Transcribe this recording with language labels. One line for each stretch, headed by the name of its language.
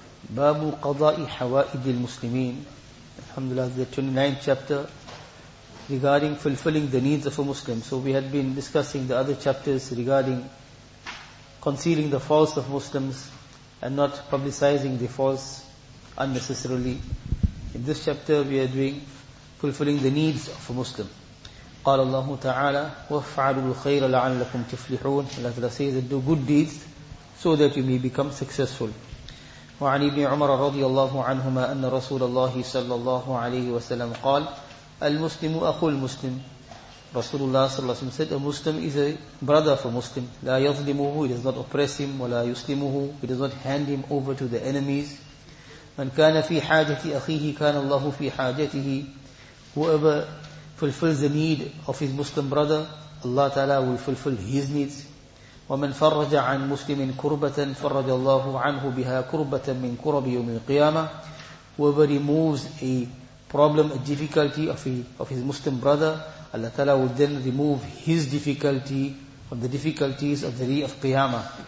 Arabic: باب قضاء حوائج المسلمين. الحمد لله.
English: The 29th chapter regarding fulfilling the needs of a Muslim. So we had been discussing the other chapters regarding concealing the faults of Muslims and not publicizing the faults unnecessarily. In this chapter we are doing fulfilling the needs of a Muslim.
Arabic: قال الله تعالى وافعلوا الخير لعلكم تفلحون.
English: Allah Ta'ala says that do good deeds so that you may become successful.
Arabic: وعن ابن عمر رضي الله عنهما أن رسول الله صلى الله عليه وسلم قال المسلم أخو المسلم.
English: رسول الله صلى الله عليه وسلم said a Muslim is a brother of a Muslim.
Arabic: لا يظلمه,
English: he does not oppress him,
Arabic: ولا يسلمه,
English: he does not hand him over to the enemies.
Arabic: من كان في حاجة أخيه كان الله في حاجته.
English: Whoever fulfills the need of his Muslim brother, Allah Ta'ala will fulfill his needs.
Arabic: وَمَنْ فَرَّجَ عَنْ مُسْلِمٍ كُرْبَةً فَرَّجَ اللَّهُ عَنْهُ بِهَا كُرْبَةً مِنْ كُرَبِ يَوْمِ الْقِيَامَةِ.
English: Whoever removes a problem, a difficulty of his Muslim brother, Allah Ta'ala will then remove his difficulty from the difficulties of the day of Qiyamah.